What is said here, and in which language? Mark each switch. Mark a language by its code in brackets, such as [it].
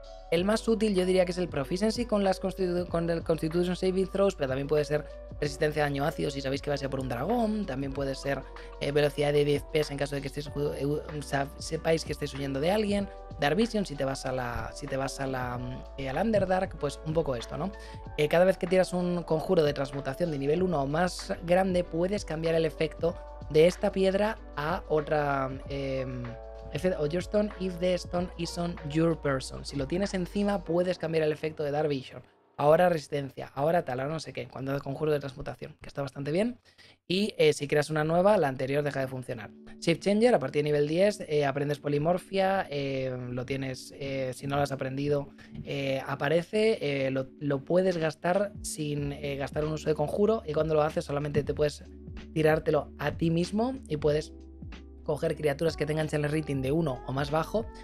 [es] El más útil yo diría que es el Proficiency con el Constitution Saving Throws, pero también puede ser resistencia a daño ácido si sabéis que va a ser por un dragón, también puede ser velocidad de 10 pies en caso de que sepáis que estéis huyendo de alguien, Dark Vision si te vas al Underdark, pues un poco esto, ¿no? Cada vez que tiras un conjuro de transmutación de nivel 1 o más grande, puedes cambiar el efecto de esta piedra a otra... [en] Effect of your stone if the stone is on your person. [es] Si lo tienes encima, puedes cambiar el efecto de Dark Vision. Ahora resistencia, ahora tal, ahora no sé qué, cuando haces conjuro de transmutación, que está bastante bien. Y si creas una nueva, la anterior deja de funcionar. Shape Changer, a partir de nivel 10, aprendes polimorfia, lo tienes, si no lo has aprendido, aparece, lo puedes gastar sin gastar un uso de conjuro, y cuando lo haces solamente te puedes tirártelo a ti mismo y puedes coger criaturas que tengan challenge rating de 1 o más bajo.